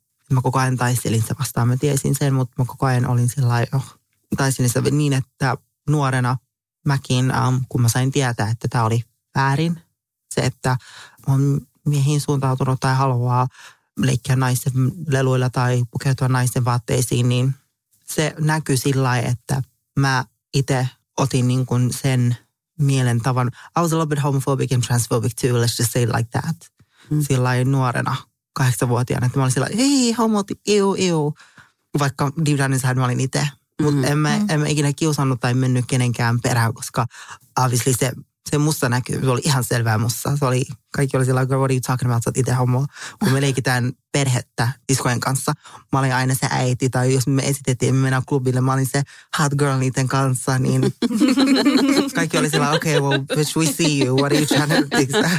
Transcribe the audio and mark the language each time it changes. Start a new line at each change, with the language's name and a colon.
Finnish: Mä koko ajan taistelin se vastaan, mä tiesin sen, mutta mä koko ajan olin sellainen, taistelin se niin, että nuorena mäkin, kun mä sain tietää, että tää oli väärin, se, että on miehiin suuntautunut tai haluaa leikkiä naisten leluilla tai pukeutua naisten vaatteisiin, niin se näkyi sillä lailla, että mä itse otin niin kuin sen mielen tavan.
English: I was a little bit homophobic and transphobic too, let's just say it like that. Mm.
Finnish: Sillain nuorena, 8-vuotiaana, että mä olin sillä ei, homot, iu. Vaikka
English: deep down inside
Finnish: mä olin itse. Mutta en mä ikinä kiusannut tai mennyt kenenkään perään, koska obviously se musta näkyy, se oli ihan selvää musta. Se oli, kaikki oli sillä
English: what are you talking about,
Finnish: sä oot itse homo. Kun me leikitään perhettä diskojen kanssa, mä olin aina se äiti, tai jos me esitettiin, me mennään klubille, mä olin se hot girl niiden kanssa, niin kaikki oli sillä
English: okay, well, bitch, we see you, what are you trying to think?